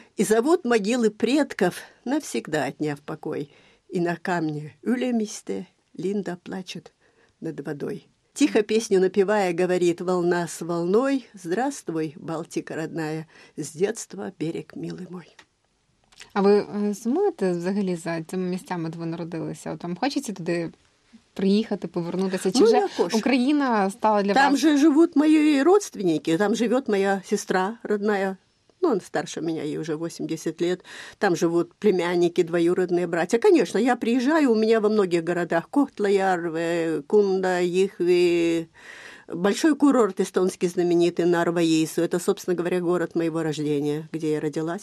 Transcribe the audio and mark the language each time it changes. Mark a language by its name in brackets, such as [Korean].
[Russian] И зовут могилы предков, навсегда отняв покой. И на камне Юлемисте Линда плачет над водой. Тихо песню напевая, говорит волна с волной. Здравствуй, Балтика родная, с детства берег милый мой. [Ukrainian] А ви сумуєте взагалі за цими місцями, де ви народилися? От вам хочеться туди приїхати, повернутися? Чи вже Україна стала для там вас? Там же живуть мої родственники, там живе моя сестра родная. [Russian] Ну, он старше меня, ей уже 80 лет. Там живут племянники, двоюродные братья. Конечно, я приезжаю, у меня во многих городах. Кохтла-Ярве, Кунда, Ихви. Большой курорт эстонский знаменитый, Нарва-Иису. Это, собственно говоря, город моего рождения, где я родилась.